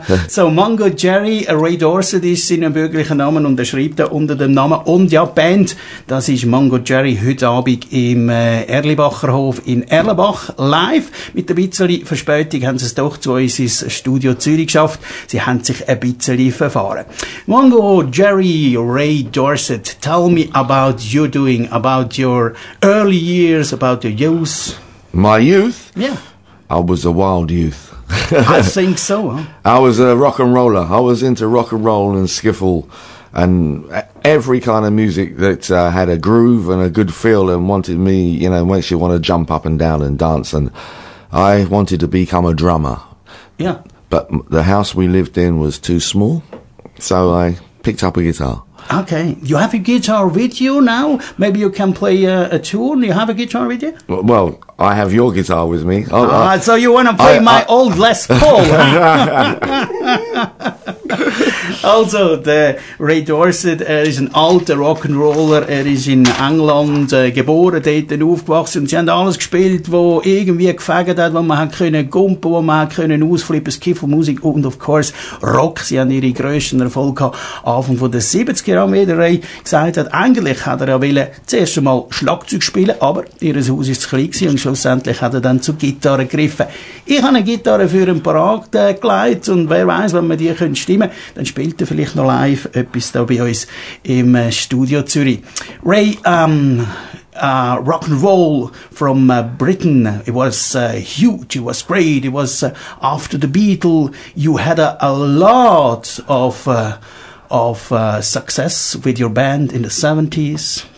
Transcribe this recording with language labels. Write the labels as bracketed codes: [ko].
[de] So Mungo Jerry, Ray Dorsett ist sein bürgerlicher Name und er schreibt da unter dem Namen. Und ja, Band, das ist Mungo Jerry heute Abend im Erlebacherhof in Erlebach live. Mit ein bisschen Verspätung haben sie es doch zu uns ins Studio Zürich geschafft. Sie haben sich ein bisschen verfahren. [en] Mungo Jerry, Ray Dorsett, tell me about you doing, about your early years, about your youth. My youth? Yeah. I was a wild youth. I think so, huh? I was a rock and roller. I was into rock and roll and skiffle and every kind of music that had a groove and a good feel and wanted me, you know, makes you want to jump up and down and dance. And I wanted to become a drummer. Yeah. But the house we lived in was too small, so I picked up a guitar. Okay, you have a guitar with you now? Maybe you can play a tune? You have a guitar with you? Well, I have your guitar with me. So you want to play old Les Paul? [de] Also, Ray Dorsett, er ist ein alter Rock'n'Roller. Er ist in England geboren, dort aufgewachsen. Und sie haben alles gespielt, was irgendwie gefegt hat, was man hat können gumpen, was man hat können ausflippen, Skiffle-Musik und, [en] of course, [de] Rock. Sie haben ihre grössten Erfolg gehabt. Anfang von den 70er Jahren, wie der Ray gesagt hat, eigentlich hat er ja wollen zuerst einmal Schlagzeug spielen, aber ihr Haus ist zu klein gewesen und schlussendlich hat er dann zu Gitarre gegriffen. Ich habe eine Gitarre für einen Parade gelegt und wer weiss, wenn man die können stimmen, dann spielt er vielleicht noch live etwas da bei uns im Studio Zürich. [en] Ray, rock and roll from Britain, it was huge, it was great, it was after the Beatles, you had a lot of success with your band in the 70s.